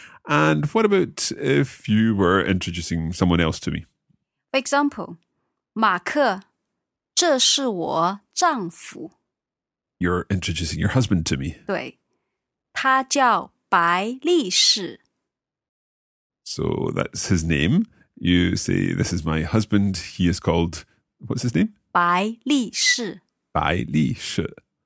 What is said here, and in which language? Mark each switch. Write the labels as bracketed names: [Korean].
[English] And what about if you were introducing someone else to me? For example, [Chinese] 马克,这是我丈夫. [English] You're introducing your husband to me. [Chinese] 对,他叫白力士. [English] So that's his name. You say, this is my husband. He is called, what's his name? [Chinese] 白力士.白力士.